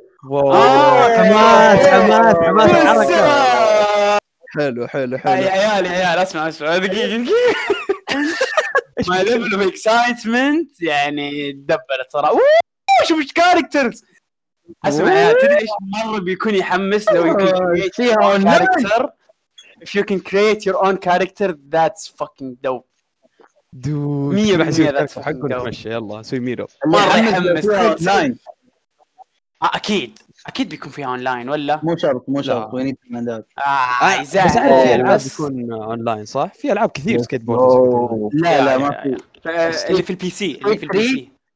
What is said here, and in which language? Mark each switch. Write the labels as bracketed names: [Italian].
[Arabic] واو حماس حماس حماس الحركة حلو حلو حلو عيال اسمع دقيقة [English] My level of excitement [Arabic] يعني دبلت صراحة شوف ايش كاركترز اسمع يا تدري ايش مرة بيكون يحمس لو يكون فيها اون كاركتر [English] if you can create your own character that's fucking dope dude 100% that's fucking dope [Arabic] ماشي يلا سوي ميرو ما يحمس اكيد اكيد بيكون فيها اونلاين ولا مو شرط وين الكوماندات بس احنا في العاب بيكون اونلاين صح في العاب كثير سكيت بورد لا ما في اللي في البي سي